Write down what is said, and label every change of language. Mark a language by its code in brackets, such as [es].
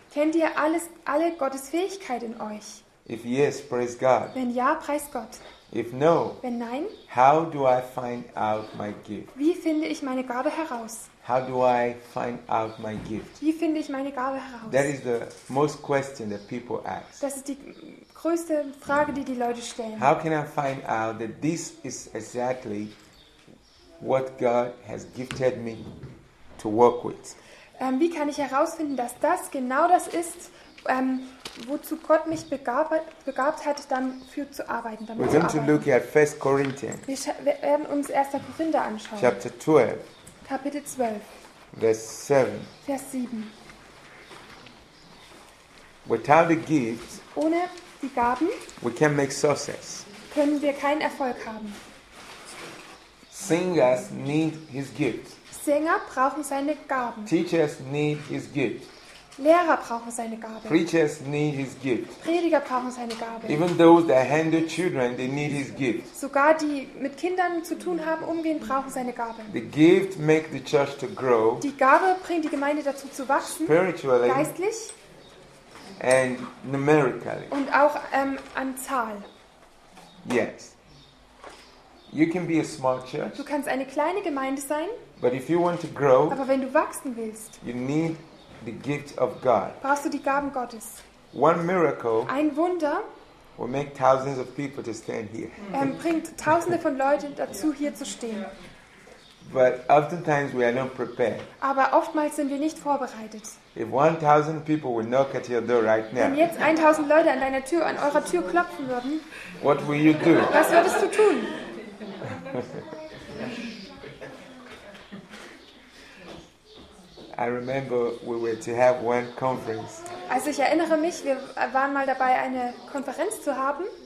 [de] Kennt ihr alle Gottes Fähigkeit in euch? [en] If yes, praise God. [de] Wenn ja, preist Gott. [en] If no, [de] wenn nein, [en] how do I find out my gift? [de] Wie finde ich meine Gabe heraus? [en] How do I find out my gift? [de] Wie finde ich meine Gabe heraus? [en] That is the most question that people ask. [de] Das ist die größte Frage, die die Leute stellen. [en] How can I find out that this is exactly what God has gifted me to work with? [de] Wie kann ich herausfinden, dass das genau das ist, wozu Gott mich begabt hat, dann für zu arbeiten, damit [en] we're going [de] zu [en] look at 1 Corinthians. [de] Wir werden uns 1. Korinther anschauen. [en] Chapter 12. [de] Kapitel 12. Vers 7. Vers 7. [en] Without the gifts, [de] ohne die Gaben, [en] we can't make success. [de] Können wir keinen Erfolg haben. [en] Singers need his gifts. [de] Sänger brauchen seine Gaben. [en] Teachers need his gifts. [de] Lehrer brauchen seine Gabe. [en] Preachers need his gift. [de] Prediger brauchen seine Gabe. [en] Even those that handle children, they need his gift. [de] Sogar die mit Kindern zu tun haben, umgehen, brauchen seine Gabe. [en] The gift make the church to grow. [de] Die Gabe bringt die Gemeinde dazu zu wachsen. [en] Spiritually. [de] Geistlich. [en] And numerically. [de] Und auch an Zahl. [en] Yes. You can be a small church. [de] Du kannst eine kleine Gemeinde sein. [en] But if you want to grow. [de] Aber wenn du wachsen willst. [en] You need the gift of God. [de] Brauchst du die Gaben Gottes? [en] One miracle. [de] Ein Wunder. [en] Will make thousands of people to stand here. [de] Bringt Tausende von Leuten dazu, hier zu stehen. [en] But oftentimes we are not prepared. [de] Aber oftmals sind wir nicht vorbereitet. [en] If 1,000 people would knock at your door right now. [de] Wenn jetzt 1,000 Leute an deiner Tür, an eurer Tür klopfen würden. [en] What will you do? [de] Was würdest du tun? [en] I remember we were to have one conference. [de] Also ich erinnere mich, wir waren mal dabei, eine Konferenz zu haben.